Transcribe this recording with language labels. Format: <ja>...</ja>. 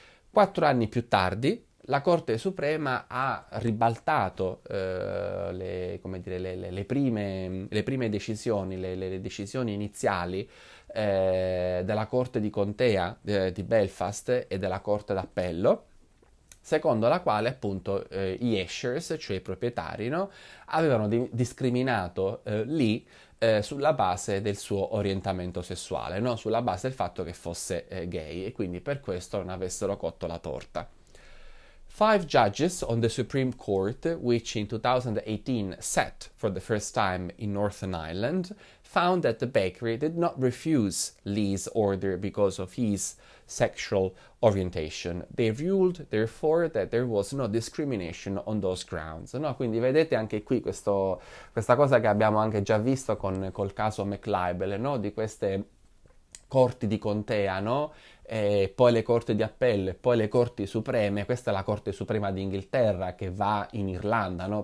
<it>4 anni più tardi, la Corte Suprema ha ribaltato come dire, le prime decisioni, le decisioni iniziali della Corte di Contea di Belfast e della Corte d'Appello, secondo la quale appunto gli Ashers, cioè i proprietari, no, avevano discriminato lì sulla base del suo orientamento sessuale, no? Sulla base del fatto che fosse gay e quindi per questo non avessero cotto la torta.</it> <en>5 judges on the Supreme Court, which in 2018 sat for the first time in Northern Ireland, found that the bakery did not refuse Lee's order because of his sexual orientation. They ruled, therefore, that there was no discrimination on those grounds.</en> <it>No, quindi vedete anche qui questa cosa che abbiamo anche già visto col caso McLibel, no? Di queste corti di contea, no? E poi le corti di appello e poi le corti supreme. Questa è la Corte Suprema d'Inghilterra che va in Irlanda, no?</it>